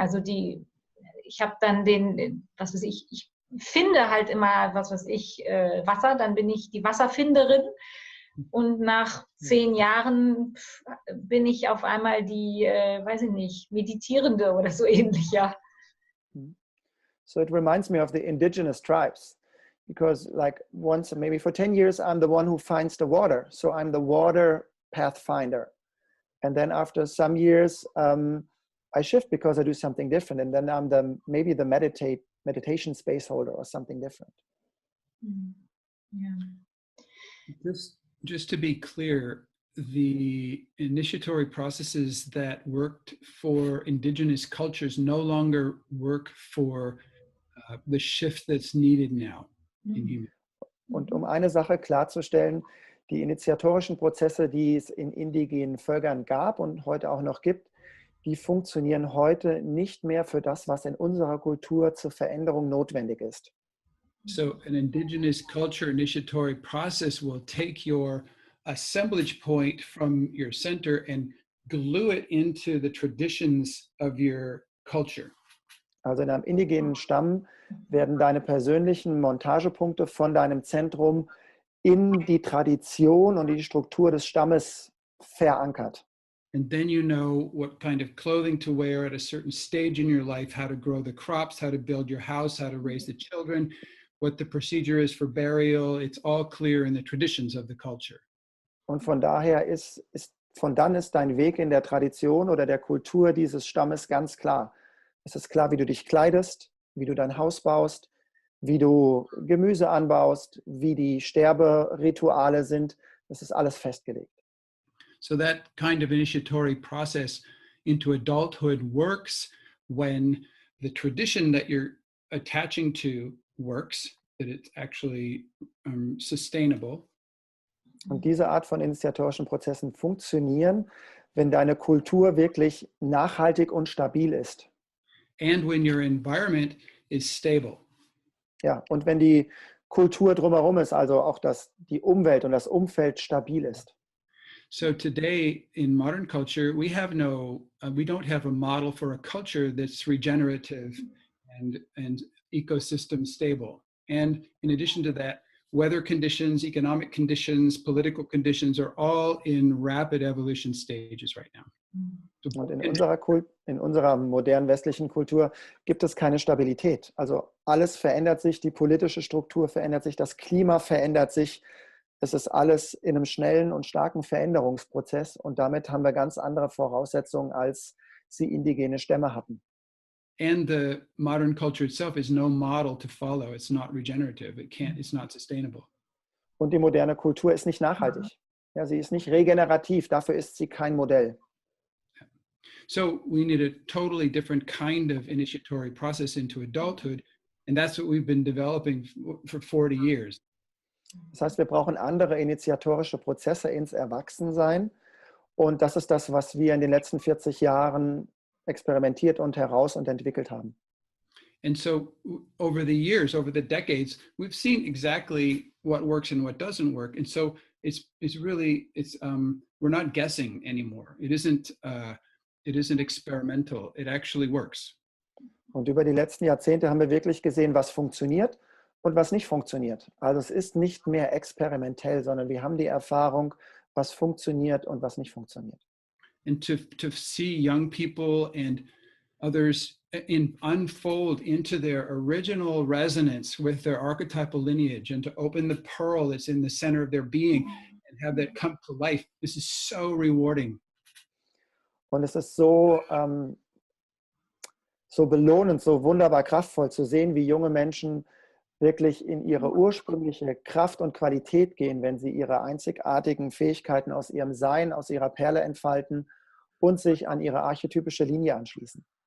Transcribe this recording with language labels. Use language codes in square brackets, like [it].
[de] Also die, ich habe dann den, was weiß ich, ich finde halt immer, was weiß ich, Wasser, dann bin ich die Wasserfinderin und nach 10 Jahren bin ich auf einmal die, weiß ich nicht, Meditierende oder so ähnlich, ja. [en] So it reminds me of the indigenous tribes. Because like once, maybe for 10 years, I'm the one who finds the water. So I'm the water pathfinder. And then after some years, I shift because I do something different. And then I'm the meditation space holder or something different. Yeah. Just to be clear, the initiatory processes that worked for indigenous cultures no longer work for the shift that's needed now. [de] Und um eine Sache klarzustellen, die initiatorischen Prozesse, die es in indigenen Völkern gab und heute auch noch gibt, die funktionieren heute nicht mehr für das, was in unserer Kultur zur Veränderung notwendig ist. [en] So an indigenous culture initiatory process will take your assemblage point from your center and glue it into the traditions of your culture. [de] Also in einem indigenen Stamm werden deine persönlichen Montagepunkte von deinem Zentrum in die Tradition und in die Struktur des Stammes verankert. [en] And then you know what kind of clothing to wear at a certain stage in your life, how to grow the crops, how to build your house, how to raise the children, what the procedure is for burial. It's all clear in the traditions of the culture. [de] Und von daher ist dein Weg in der Tradition oder der Kultur dieses Stammes ganz klar. Es ist klar, wie du dich kleidest, wie du dein Haus baust, wie du Gemüse anbaust, wie die Sterberituale sind. Das ist alles festgelegt. [en] So that kind of initiatory process into adulthood works when the tradition that you're attaching to works, that it's actually sustainable. [de] Und diese Art von initiatorischen Prozessen funktionieren, wenn deine Kultur wirklich nachhaltig und stabil ist. [en] And when your environment is stable. [de] Ja, und wenn die Kultur drumherum ist, also auch dass die Umwelt und das Umfeld stabil ist. [en] So today in modern culture we have no we don't have a model for a culture that's regenerative and ecosystem stable. And in addition to that, weather conditions, economic conditions, political conditions are all in rapid evolution stages right now. [de] Und in unserer modernen westlichen Kultur gibt es keine Stabilität. Also alles verändert sich, die politische Struktur verändert sich, das Klima verändert sich. Es ist alles in einem schnellen und starken Veränderungsprozess und damit haben wir ganz andere Voraussetzungen, als sie indigene Stämme hatten. [en] And the modern culture itself is no model to follow. It's not regenerative. It can't, it's not sustainable. [de] Und die moderne Kultur ist nicht nachhaltig. Ja, sie ist nicht regenerativ. Dafür ist sie kein Modell. [en] So we need a totally different kind of initiatory process into adulthood. And that's what we've been developing for 40 years. [de] Das heißt, wir brauchen andere initiatorische Prozesse ins Erwachsensein. Und das ist das, was wir in den letzten 40 Jahren experimentiert und heraus und entwickelt haben. [en] And so over the years, over the decades, we've seen exactly what works and what doesn't work. And so it's really we're not guessing anymore. It isn't experimental. It actually works. [de] Und über die letzten Jahrzehnte haben wir wirklich gesehen, was funktioniert und was nicht funktioniert. Also es ist nicht mehr experimentell, sondern wir haben die Erfahrung, was funktioniert und was nicht funktioniert. [en] And to see young people and others in unfold into their original resonance with their archetypal lineage and to open the pearl that's in the center of their being and have that come to life, this is so rewarding. [de] Und es ist so so belohnend, so wunderbar kraftvoll zu sehen, wie junge Menschen wirklich in ihre ursprüngliche Kraft und Qualität gehen, wenn sie ihre einzigartigen Fähigkeiten aus ihrem Sein, aus ihrer Perle entfalten und sich an ihre archetypische Linie anschließen.